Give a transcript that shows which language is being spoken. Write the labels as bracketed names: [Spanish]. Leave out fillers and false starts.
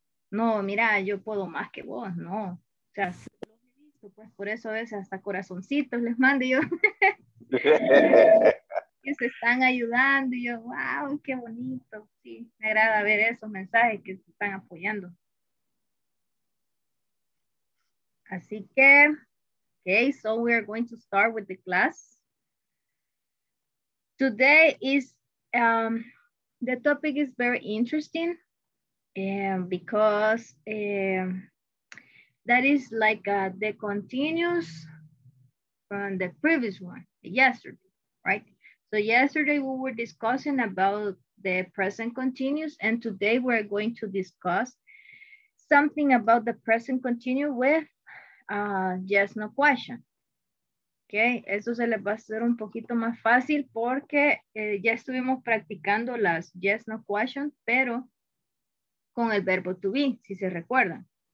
[Spanish] No, mira, yo puedo más que vos, no. O sea, lo he visto, pues por eso a veces hasta corazoncitos les mando yo. Que se están ayudando y yo, wow, qué bonito. Sí, me agrada ver esos mensajes que se están apoyando. Así que, [English] okay, so we are going to start with the class. Today is, the topic is very interesting. Because that is like the continuous from the previous one, yesterday, right? So yesterday we were discussing about the present continuous, and today we're going to discuss something about the present continuous with yes, no question. [Spanish] Okay, eso se les va a hacer un poquito más fácil porque ya estuvimos practicando las yes, no question, pero con el verbo to be, si se recuerdan.